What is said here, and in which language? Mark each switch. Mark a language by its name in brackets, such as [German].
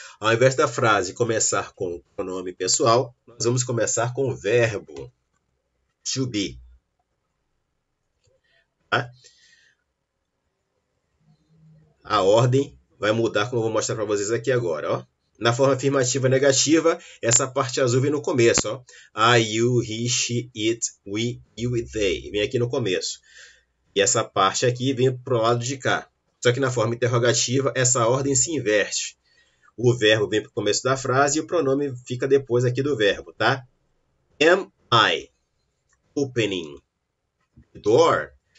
[Portuguese] Ao invés da frase começar com o pronome pessoal, nós vamos começar com o verbo to be. Tá? A ordem vai mudar, como eu vou mostrar para vocês aqui agora. Ó. Na forma afirmativa negativa, essa parte azul vem no começo. Ó. [English] I, you, he, she, it, we, you, they. [Portuguese] Vem aqui no começo. E essa parte aqui vem para o lado de cá. Só que na forma interrogativa, essa ordem se inverte. O verbo vem para o começo da frase e o pronome fica depois aqui do verbo, tá? [English] Am I opening the door?